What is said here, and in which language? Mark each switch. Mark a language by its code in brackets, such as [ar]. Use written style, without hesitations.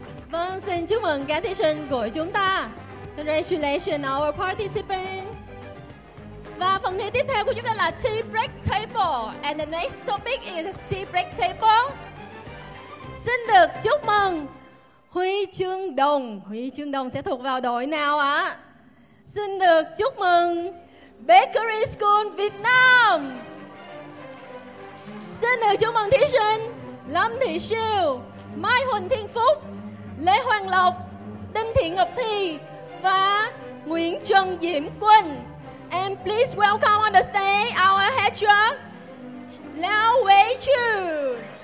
[vi] Vâng, xin chúc mừng các thí sinh của chúng ta. [en] Congratulations our participants. [vi] Và phần thi tiếp theo của chúng ta là Tea Break Table. [en] And the next topic is Tea Break Table. [vi] Xin được chúc mừng huy chương đồng. Huy chương đồng sẽ thuộc vào đội nào ạ? Xin được chúc mừng Bakery School Việt Nam. Xin được chúc mừng thí sinh Lâm Thị Siêu, Mai Huỳnh Thiên Phúc, Lê Hoàng Lộc, Đinh Thị Ngọc Thi và Nguyễn Trần Diễm Quỳnh. [en] And please welcome on the stage our head judge, Lao Wei Chu.